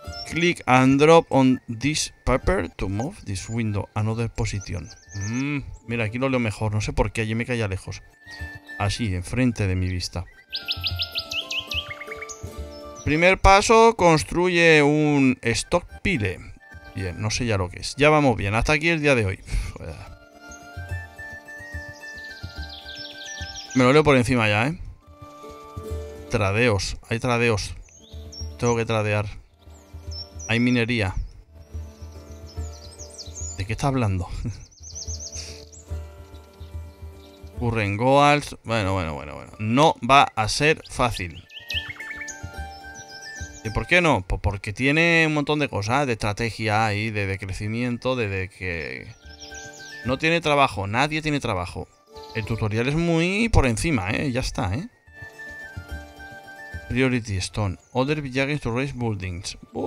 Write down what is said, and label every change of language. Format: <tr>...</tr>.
<en>Click and drop on this paper to move this window another position.</en> <es>Mira, aquí lo leo mejor. No sé por qué, allí me caía lejos. Así, enfrente de mi vista. Primer paso, construye un stock pile. Bien, no sé ya lo que es. Ya vamos bien, hasta aquí el día de hoy. Me lo leo por encima ya, Tradeos, hay tradeos. Tengo que tradear. Hay minería. ¿De qué está hablando? Urrengoals. Bueno. No va a ser fácil. ¿Y por qué no? Pues porque tiene un montón de cosas, de estrategia y de crecimiento, de que no tiene trabajo, nadie tiene trabajo. El tutorial es muy por encima, ya está, Priority Stone.</es> <en>Other villages to raise buildings.</en>